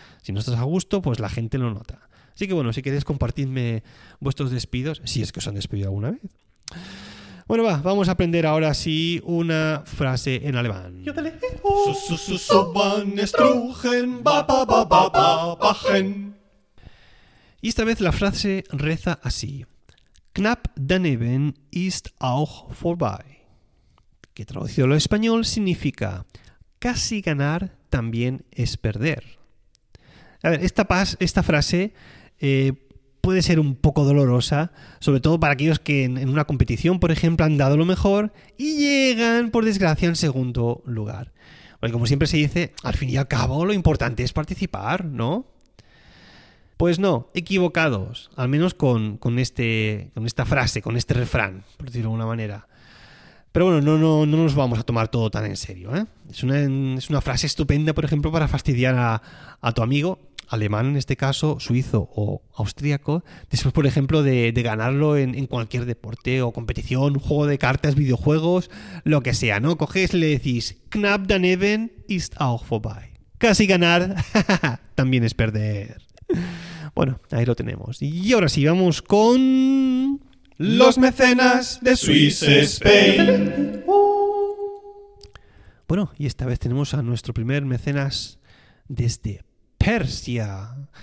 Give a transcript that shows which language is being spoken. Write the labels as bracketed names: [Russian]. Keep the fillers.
[Spanish] Si no estás a gusto, pues la gente lo nota. Así que bueno, si queréis compartidme vuestros despidos, si es que os han despedido alguna vez. Bueno, va, vamos a aprender ahora sí una frase en alemán. Su- su- su- van estrugen, ba, ba, ba, ba, ba, bajen. Y esta vez la frase reza así. [German] Knapp daneben ist auch vorbei. [Spanish] Que traducido al español significa casi ganar también es perder. A ver, esta, pas- esta frase eh, puede ser un poco dolorosa, sobre todo para aquellos que en, en una competición, por ejemplo, han dado lo mejor y llegan, por desgracia, en segundo lugar. Porque como siempre se dice, al fin y al cabo lo importante es participar, ¿no? Pues no, equivocados, al menos con, con este, con esta frase, con este refrán, por decirlo de alguna manera. Pero bueno, no, no, no nos vamos a tomar todo tan en serio. ¿eh? Es, una, es una frase estupenda, por ejemplo, para fastidiar a, a tu amigo, alemán en este caso, suizo o austríaco, después, por ejemplo, de, de ganarlo en, en cualquier deporte o competición, juego de cartas, videojuegos, lo que sea, ¿no? Coges y le decís, [German] Knapp daneben ist auch vorbei. [Spanish] Casi ganar también es perder. Bueno, ahí lo tenemos. Y ahora sí, vamos con... Los mecenas de Swiss Spain. Bueno, y esta vez tenemos a nuestro primer mecenas desde Persia.